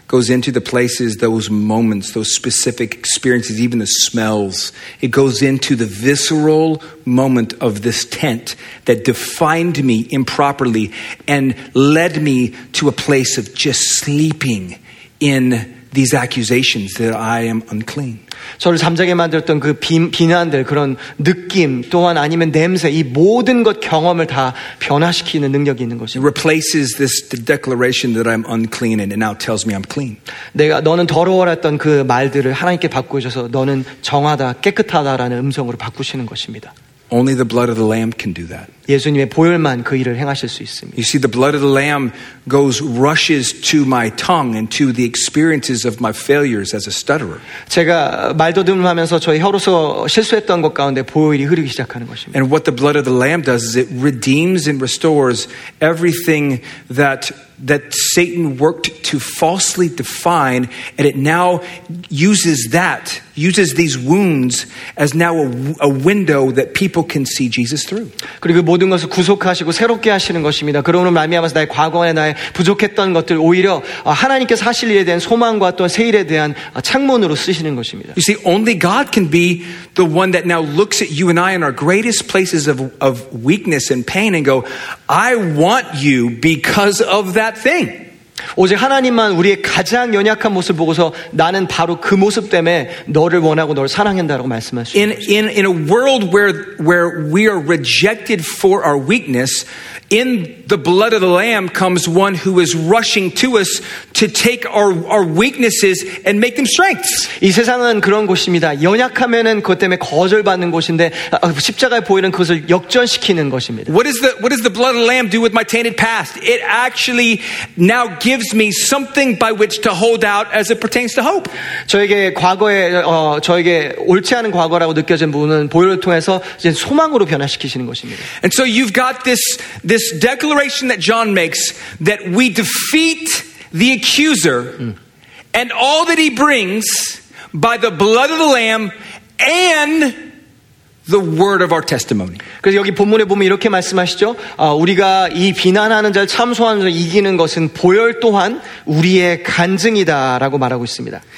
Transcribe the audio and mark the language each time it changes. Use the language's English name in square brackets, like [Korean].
[English] Goes into the places, those moments, those specific experiences, even the smells. It goes into the visceral moment of this tent that defined me improperly and led me to a place of just sleeping in these accusations that I am unclean. [Korean] 저를 잠자게 만들었던 그 비난들, 그런 느낌, 또한 아니면 냄새, 이 모든 것 경험을 다 변화시키는 능력이 있는 것입니다. [English] Replaces this declaration that I'm unclean and it now tells me I'm clean. [Korean] 내가 너는 더러워했던 그 말들을 하나님께 바꾸셔서 너는 정하다, 깨끗하다라는 음성으로 바꾸시는 것입니다. [English] Only the blood of the Lamb can do that. [Korean] 예수님의 보혈만 그 일을 행하실 수 있습니다. [English] You see, the blood of the Lamb goes rushes to my tongue and to the experiences of my failures as a stutterer. [Korean] 제가 말더듬하면서 저의 혀로서 실수했던 것 가운데 보혈이 흐르기 시작하는 것입니다. [English] And what the blood of the Lamb does is it redeems and restores everything that Satan worked to falsely define, and it now uses these wounds as now a window that people can see Jesus through. [Korean] 그리고 모든 것을 구속하시고 새롭게 하시는 것입니다. 그러므로 말미암아서 나의 과거에 나의 부족했던 것들 오히려 하나님께서 하실 일에 대한 소망과 또 새 일에 대한 창문으로 쓰시는 것입니다. [English] You see, only God can be the one that now looks at you and I in our greatest places of weakness and pain and go, I want you because of that thing. [Korean] 오직 하나님만 우리의 가장 연약한 모습 보고서 나는 바로 그 모습 때문에 너를 원하고 너를 사랑한다라고 말씀하십니다. [English] In a world where we are rejected for our weakness, in the blood of the lamb comes one who is rushing to us to take our weaknesses and make them strengths. [Korean] 이 세상은 그런 곳입니다. 연약하면은 그것 때문에 거절받는 곳인데 십자가에 보이는 그것을 역전시키는 것입니다. [English] What does the blood of the lamb do with my tainted past? It actually now gives me something by which to hold out as it pertains to hope. [Korean] 저에게 과거에 저에게 옳지 않은 과거라고 느껴진 부분은 보혈을 통해서 이제 소망으로 변화시키시는 것입니다. [English] And so you've got this declaration that John makes that we defeat the accuser and all that he brings by the blood of the lamb and the word of our testimony. [Korean] 그래서 여기 본문에 보면 이렇게 말씀하시죠. 우리가 이 비난하는 자를 참소하는 자를 이기는 것은 보혈 또한 우리의 간증이다라고 말하고 있습니다.